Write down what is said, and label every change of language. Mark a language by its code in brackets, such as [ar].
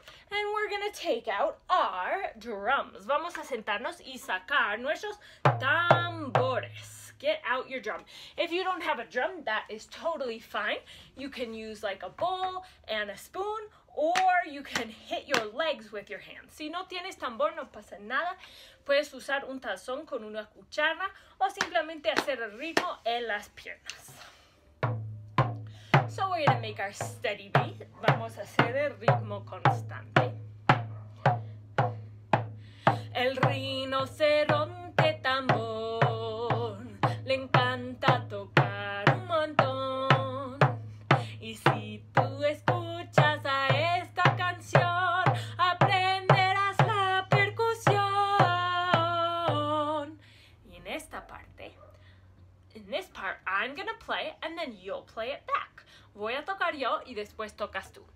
[en] And we're going to take out our drums. [es] Vamos a sentarnos y sacar nuestros tambores. [en] Get out your drum. If you don't have a drum, that is totally fine. You can use like a bowl and a spoon, or you can hit your legs with your hands. [es] Si no tienes tambor, no pasa nada. Puedes usar un tazón con una cuchara o simplemente hacer el ritmo en las piernas. [en] So we're going to make our steady beat. [es] Vamos a hacer el ritmo constante. El rinoceronte tambor le encanta tocar un montón. Y si tú escuchas a esta canción, aprenderás la percusión. Y en esta parte, [en] in this part, I'm going to play and then you'll play it back. [es] Voy a tocar yo y después tocas tú.